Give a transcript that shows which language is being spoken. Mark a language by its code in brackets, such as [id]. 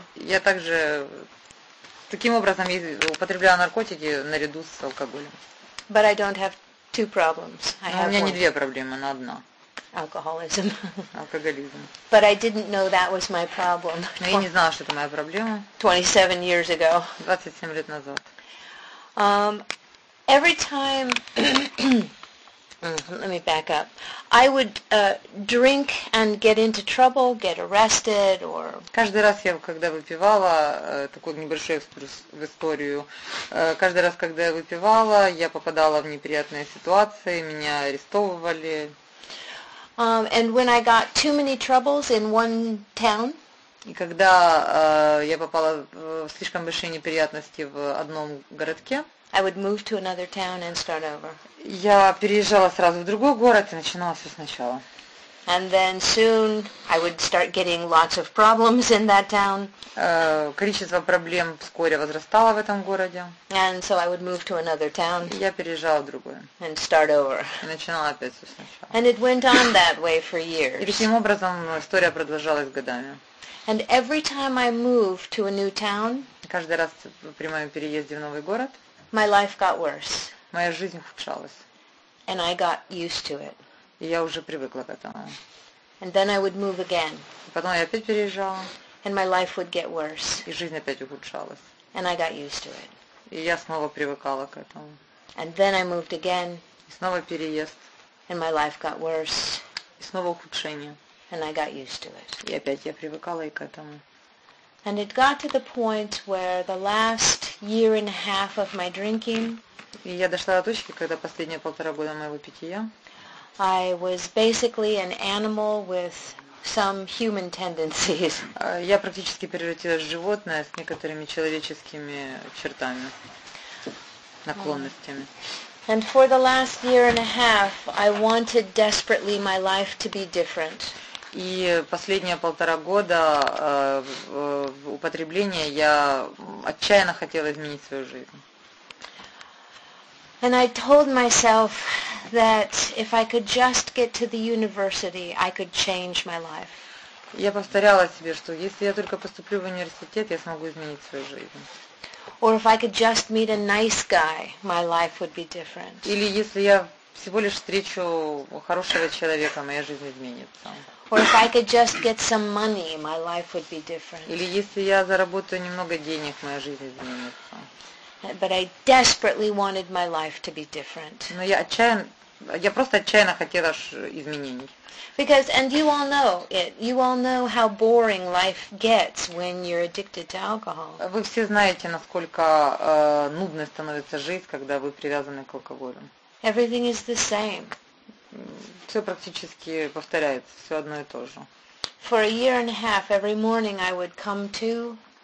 [ru] Я также таким образом употребляла наркотики наряду с алкоголем. [en] But I don't have two problems. I have. [ru] У меня не две проблемы, но одна. [en] Alcoholism. [ru] Алкоголизм. [en] But I didn't know that was my problem. [ru] Но я не знала, что это моя проблема. [en] 27 years ago. [ru] 27 лет назад. [en] Every time, let me back up. I would drink and get into trouble, get arrested, or. [ru] Каждый раз я, когда выпивала, такой небольшой экскурс в историю. Каждый раз, когда я выпивала, я попадала в неприятные ситуации, меня арестовывали. [en] And when I got too many troubles in one town. [ru] И когда я попала в слишком большие неприятности в одном городке. [en] I would move to another town and start over. [ru] Я переезжала сразу в другой город и начинала все сначала. [en] And then soon I would start getting lots of problems in that town. [ru] Количество проблем вскоре возрастало в этом городе. [en] And so I would move to another town. [ru] Я переезжала в другое. [en] And start over. [ru] И начинала опять все сначала. [en] And it went on that way for years. [ru] И таким образом история продолжалась годами. [en] And every time I move to a new town. [ru] Каждый раз при моем переезде в новый город. [en] My life got worse. [ru] Моя жизнь ухудшалась. [en] And I got used to it. [ru] И я уже привыкла к этому. [en] And then I would move again. [ru] Потом я опять переезжала. [en] And my life would get worse. [ru] И жизнь опять ухудшалась. [en] And I got used to it. [ru] И я снова привыкала к этому. [en] And then I moved again. [ru] И снова переезд. [en] And my life got worse. [ru] И снова ухудшение. [en] And I got used to it. [ru] И опять я привыкала и к этому. [en] And it got to the point where the last year and a half of my drinking. [ru] И я дошла до точки, когда последние полтора года моего питья. [en] I was basically an animal with some human tendencies. [ru] Я практически превратилась в животное с некоторыми человеческими чертами, наклонностями. [en] And for the last year and a half, I wanted desperately my life to be different. [ru] И последние полтора года употребления я отчаянно хотела изменить свою жизнь. [en] And I told myself that if I could just get to the university, I could change my life. [ru] Я повторяла себе, что если я только поступлю в университет, я смогу изменить свою жизнь. [en] Or if I could just meet a nice guy, my life would be different. [ru] Или если я всего лишь встречу хорошего человека, моя жизнь изменится. [en] Or if I could just get some money, my life would be different. [ru] Или если я заработаю немного денег, моя жизнь изменится. [en] But I desperately wanted my life to be different. [ru] Но я просто отчаянно хотела изменений. [en] Because and you all know it. You all know how boring life gets when you're addicted to alcohol. [ru] Вы все знаете, насколько нудной становится жизнь, когда вы привязаны к алкоголю. [en] Everything is the same. [ru] Все практически повторяется, все одно и то же. [en] For a year and a half, every morning I would come to.